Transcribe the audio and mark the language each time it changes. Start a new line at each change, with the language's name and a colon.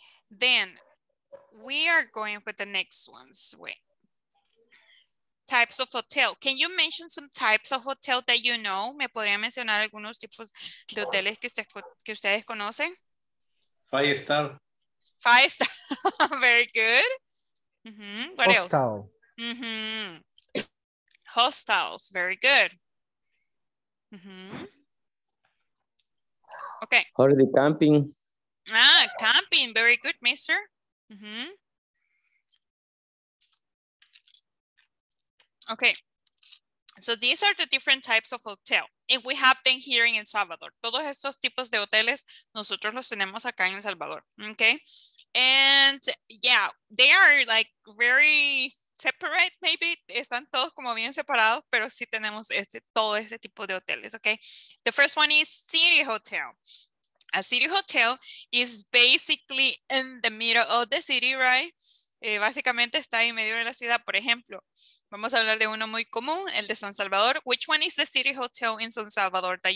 English: Then we are going with the next ones. Wait. Types of hotel. Can you mention some types of hotel that you know?
Spanish: ¿Me podría mencionar algunos tipos de hoteles que ustedes conocen?
English: Five star. Five star. Very good. Mm-hmm. What else? Hostel. Mm-hmm. Hostels, very good. Mm-hmm. Okay. Holiday camping. Ah, camping, very good, mister. Mm-hmm. Okay. So these are the different types of hotel. And we have them here in El Salvador.
Spanish: Todos estos tipos de hoteles, nosotros los tenemos acá en El Salvador.
English: Okay. And yeah, they are like very separate, maybe.
Spanish: Están todos como bien separados, pero sí tenemos este, todo este tipo de hoteles.
English: Okay. The first one is city hotel. A city hotel is basically in the middle of the city, right?
Spanish: Básicamente está en medio de la ciudad. Por ejemplo, vamos a hablar de uno muy común, el de San Salvador.
English: Which one is the city hotel in San Salvador?